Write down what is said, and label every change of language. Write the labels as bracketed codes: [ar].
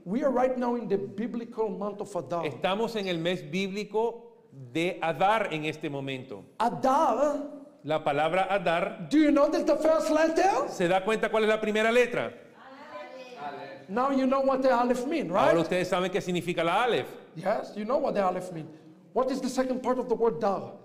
[en] We are right now in the biblical month of Adar. [es] Estamos en el mes bíblico de Adar en este momento. [en] Adar. [es] La palabra Adar. [en] Do you notice the first letter? [es] ¿Se da cuenta cuál es la primera letra? [en] Now you know what the aleph mean, right? [es] Ahora ustedes saben qué significa la aleph. [en] Yes, you know what the aleph mean. What is the second part of the word dar?